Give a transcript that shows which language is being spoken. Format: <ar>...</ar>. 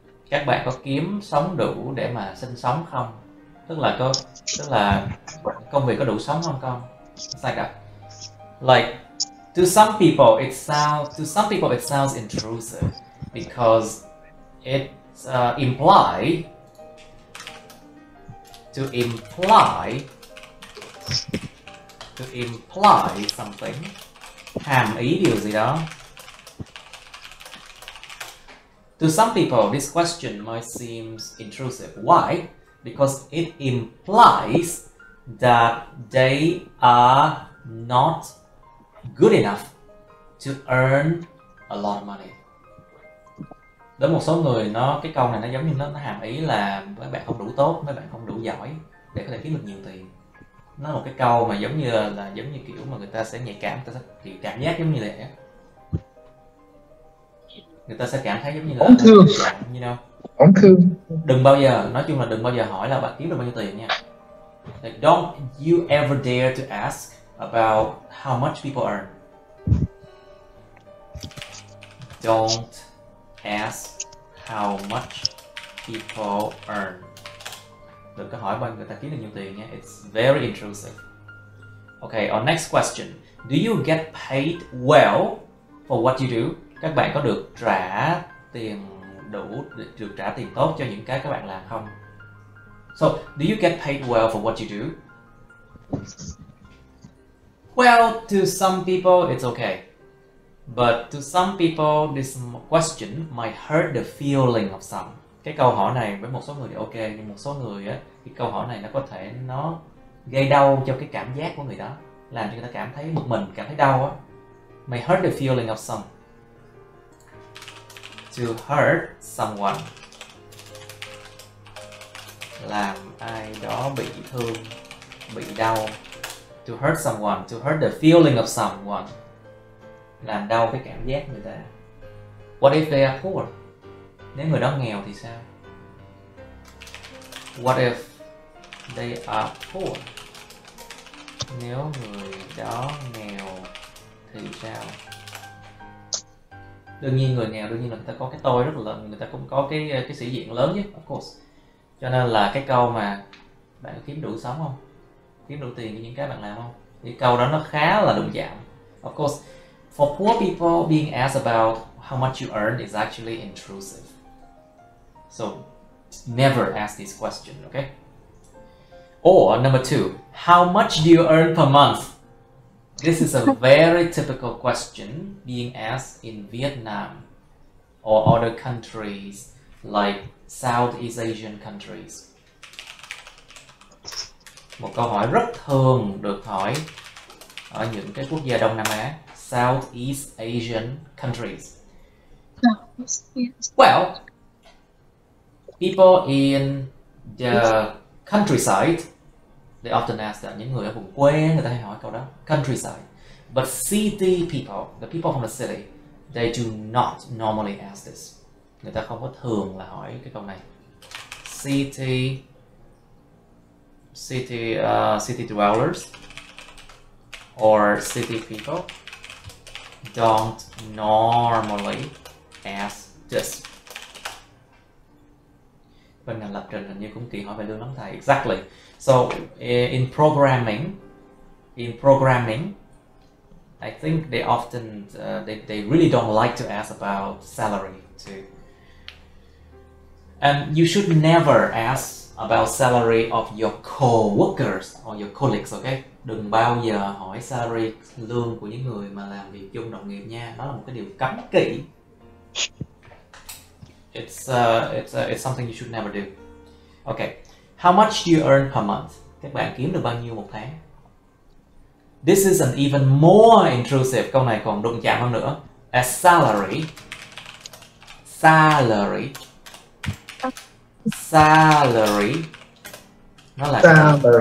<vi>Các bạn có kiếm sống đủ để mà sinh sống không? Tức là công việc có đủ sống không con?</vi> <en>It's like that. Like to some people it sounds intrusive because it imply something.</en> <vi>Hàm ý điều gì đó.</vi> <en>To some people this question might seem intrusive. Why? Because it implies that they are not good enough to earn a lot of money.</en> <vi>Đối một số người nó cái câu này nó giống như nó hàm ý là mấy bạn không đủ tốt, mấy bạn không đủ giỏi để có thể kiếm được nhiều tiền. Nó là một cái câu mà giống như là giống như kiểu mà người ta sẽ nhạy cảm, người ta sẽ kiểu cảm giác giống như là người ta sẽ cảm thấy giống như là ổn thương. Ổn thương. Đừng bao giờ, nói chung là đừng bao giờ hỏi là bạn kiếm được bao nhiêu tiền nha.</vi> <en>Like, don't you ever dare to ask about how much people earn. Don't ask how much people earn.</en> <vi>Đừng có hỏi bao người ta kiếm được nhiều tiền nhé.</vi> <en>It's very intrusive. Okay, our next question. Do you get paid well for what you do?</en> <vi>Các bạn có được trả tiền đủ, được trả tiền tốt cho những cái các bạn làm không?</vi> <en>So, do you get paid well for what you do? Well, to some people, it's okay. But to some people, this question might hurt the feeling of some.</en> <vi>Cái câu hỏi này với một số người thì ok, nhưng một số người á, cái câu hỏi này nó có thể nó gây đau cho cái cảm giác của người đó, làm cho người ta cảm thấy một mình, cảm thấy đau á.</vi> <en>May hurt the feeling of some. To hurt someone.</en> <vi>Làm ai đó bị thương, bị đau.</vi> <en>To hurt someone, to hurt the feeling of someone.</en> <vi>Làm đau cái cảm giác người ta.</vi> <en>What if they are poor?</en> <vi>Nếu người đó nghèo thì sao?</vi> <en>What if they are poor?</en> <vi>Nếu người đó nghèo thì sao? Đương nhiên người nghèo, đương nhiên là người ta có cái tôi rất là lớn, người ta cũng có cái sĩ diện lớn chứ,</vi> <en>of course.</en> <vi>Cho nên là cái câu mà bạn kiếm đủ sống không? Kiếm đủ tiền cho những cái bạn làm không? Thì câu đó nó khá là đụng chạm.</vi> <en>Of course, for poor people being asked about how much you earn is actually intrusive. So, never ask this question, okay? Or, number two, how much do you earn per month? This is a very typical question being asked in Vietnam or other countries like Southeast Asian countries.</en> <vi>Một câu hỏi rất thường được hỏi ở những cái quốc gia Đông Nam Á,</vi> <en>Southeast Asian countries. Well, people in the countryside, they often ask that.</en> <vi>Những người ở vùng quê, người ta hay hỏi câu đó.</vi> <en>Countryside. But city people, the people from the city, they do not normally ask this.</en> <vi>Người ta không có thường là hỏi cái câu này.</vi> <en>City dwellers or city people don't normally ask this.</en> <vi>Bên ngành lập trình hình như cũng kỳ hỏi về lương lắm thầy.</vi> <en>Exactly. So in programming, I think they often they really don't like to ask about salary too. And you should never ask about salary of your co-workers or your colleagues, okay?</en> <vi>Đừng bao giờ hỏi salary lương của những người mà làm việc chung đồng nghiệp nha. Đó là một cái điều cấm kỵ.</vi> <en>It's something you should never do. Okay, how much do you earn per month?</en> <vi>Các bạn kiếm được bao nhiêu một tháng?</vi> <en>This is an even more intrusive.</en> <vi>Câu này còn đụng chạm hơn nữa.</vi> <en>A salary.</en> <vi>Nó là</vi>